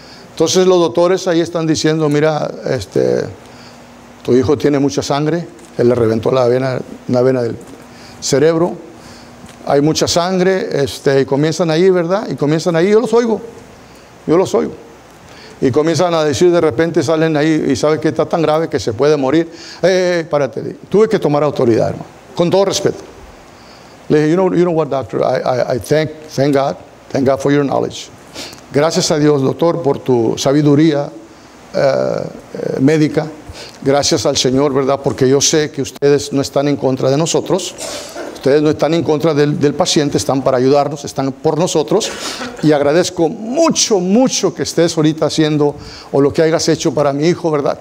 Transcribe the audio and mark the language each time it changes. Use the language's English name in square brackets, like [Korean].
[Spanish] Entonces los doctores ahí están diciendo, mira, tu hijo tiene mucha sangre, él le reventó una vena del cerebro. Hay mucha sangre, y comienzan ahí, ¿verdad? Y comienzan ahí, yo los oigo. Y comienzan a decir, de repente salen ahí, y sabes que está tan grave que se puede morir. Párate. Tuve que tomar autoridad, hermano, con todo respeto. Le dije, [English] you know what, doctor, I thank God for your knowledge. [Spanish] Gracias a Dios, doctor, por tu sabiduría médica. Gracias al Señor, ¿verdad? Porque yo sé que ustedes no están en contra de nosotros. Ustedes no están en contra del paciente, están para ayudarnos, están por nosotros. Y agradezco mucho, mucho que estés ahorita haciendo o lo que hayas hecho para mi hijo, ¿verdad?